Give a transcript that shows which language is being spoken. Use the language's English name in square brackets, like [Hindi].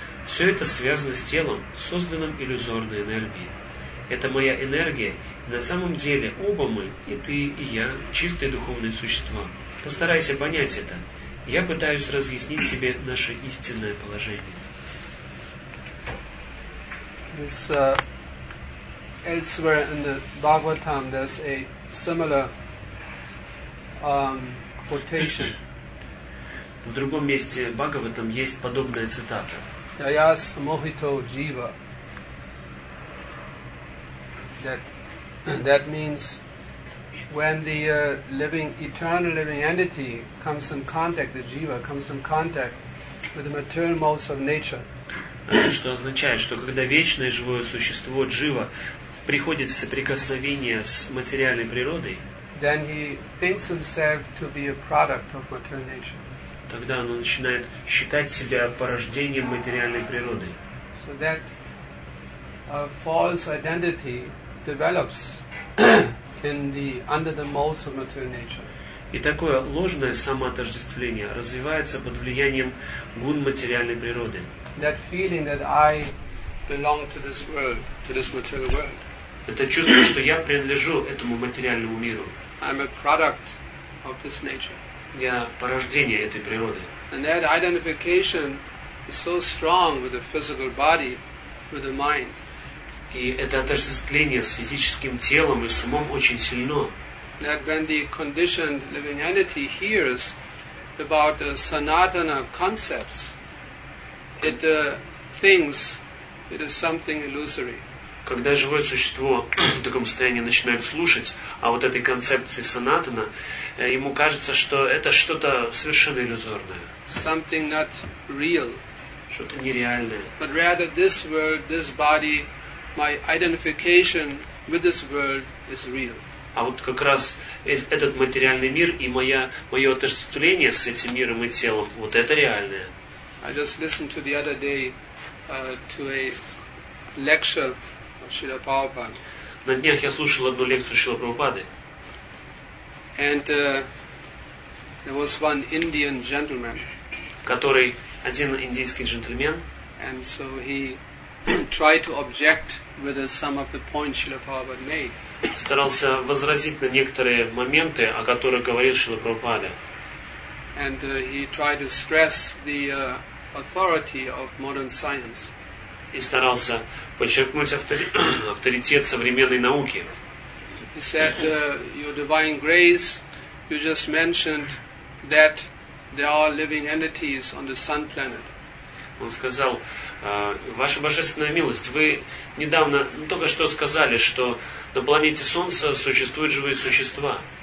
[Russian] Все это связано с телом, созданным иллюзорной энергией. Это моя энергия, и на самом деле оба мы, и ты, и я, чистые духовные существа. Постарайся понять это. Я пытаюсь разъяснить тебе наше истинное положение. [English] Elsewhere in the Bhagavatam, there's a similar quotation. [Russian] В другом месте Бхагаватам есть подобная цитата. [Sanskrit] Yayas mohito jiva. [English] That means when the living, eternal living entity comes in contact, the jiva comes in contact with the material modes of nature. [Russian] Что означает, что когда вечное живое существо джива приходит в соприкосновение с материальной природой, тогда он начинает считать себя порождением материальной природы. [English] So that false identity develops in the under the molds of material nature. [Russian] И такое ложное самоотождествление развивается под влиянием гун материальной природы. [English] That feeling that I belong to this world, to this material world. [Russian] Это чувство, что я принадлежу этому материальному миру. [English] I'm a product of this nature. [Russian] Я порождение этой природы. [English] And that identification is so strong with the physical body, with the mind. [Russian] И это отождествление с физическим телом и с умом очень сильно. [English] That when the conditioned living entity hears about the sanatana concepts, it thinks it is something illusory. [Russian] Когда живое существо в таком состоянии начинает слушать о вот этой концепции санатана, ему кажется, что это что-то совершенно иллюзорное. [English] Something not real. [Russian] Что-то нереальное. [English] But rather this world, this body, my identification with this world is real. [Russian] А вот как раз этот материальный мир и мое отождествление с этим миром и телом, вот это реальное. [English] I just listened to the other day to a lecture of Srila Prabhupada. [Russian] На днях я слушал одну лекцию Шрила Прабхупады. [English] And there was one Indian gentleman. [Russian] В которой один индийский джентльмен. [English] And so he tried to object with some of the points Srila Prabhupada made. [Russian] Старался возразить на некоторые моменты, о которых говорил Шрила Прабхупада. [English] And he tried to stress the authority of modern science. [Russian] И старался подчеркнуть авторитет современной науки. [English] He said, "Your divine grace, you just mentioned that there are living entities on the sun planet." [Russian] Он сказал, ваша божественная милость, вы недавно, только что сказали, что на планете Солнца существуют живые существа.